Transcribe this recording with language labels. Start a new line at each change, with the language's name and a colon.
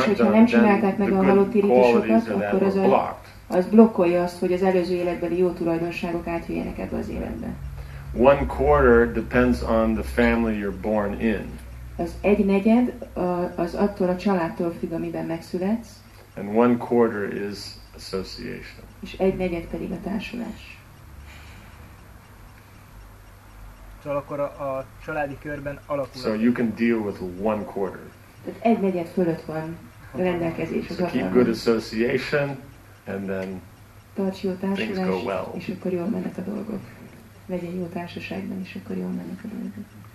Hungarian: nem csinálták meg a halott irítésokat, akkor az blokkolja azt, hogy az előző életbeli jó tulajdonságok átjöjjenek ebbe az életbe.
English: One quarter depends on the family you're born in.
Hungarian: Az egy negyed az attól a családtól függ, amiben megszületsz.
English: And one quarter is association.
Hungarian: És egy negyed pedig a társulás. Szóval akkor a családi körben alakul.
English: So you can deal with one quarter.
Hungarian: Tehát egy negyed fölött van rendelkezés.
English: So keep good association, and then things go well.
Hungarian: És akkor jól mennek a dolgok. Legyen jó társaságban, és akkor jól mennek a dolgok.